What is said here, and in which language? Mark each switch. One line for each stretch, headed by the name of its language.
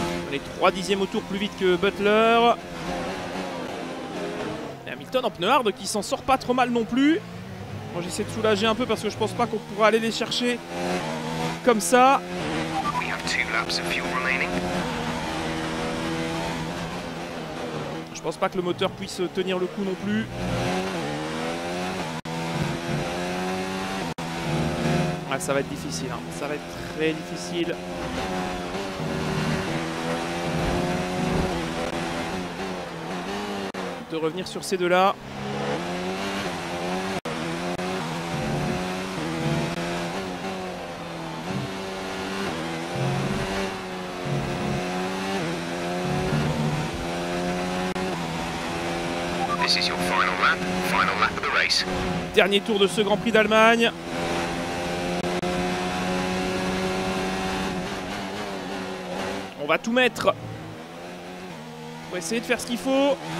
French: On est 3 dixièmes au tour plus vite que Butler. Et Hamilton en pneu hard qui s'en sort pas trop mal non plus. Moi j'essaie de soulager un peu parce que je pense pas qu'on pourra aller les chercher comme ça.
English: We have 2 laps of fuel remaining.
French: Je pense pas que le moteur puisse tenir le coup non plus. Ah, ça va être difficile, hein. Ça va être très difficile. De revenir sur ces deux-là.
English: This is your final lap of the race.
French: Dernier tour de ce Grand Prix d'Allemagne. On va tout mettre pour essayer de faire ce qu'il faut.